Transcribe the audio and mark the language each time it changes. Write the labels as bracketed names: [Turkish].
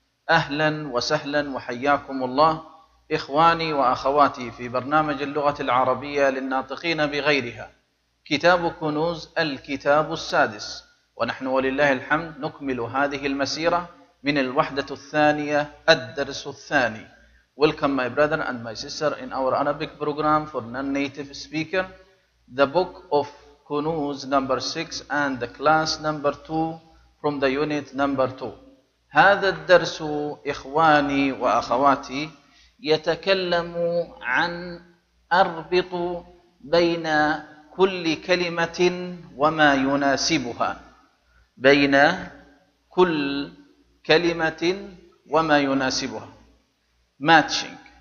[Arabic] أهلا وسهلا وحياكم الله إخواني وأخواتي في برنامج اللغة العربية للناطقين بغيرها، كتاب كنوز الكتاب السادس، ونحن ولله الحمد نكمل هذه المسيرة من الوحدة الثانية الدرس الثاني. [English] Welcome my brother and my sister in our Arabic program for non-native speaker. The book of Kunuz number 6 and the class number 2 from the unit number 2. [Arabic] هذا الدرس إخواني وأخواتي يتكلم عن أربط بين كل كلمة وما يناسبها، بين كل كلمة وما يناسبها، matching.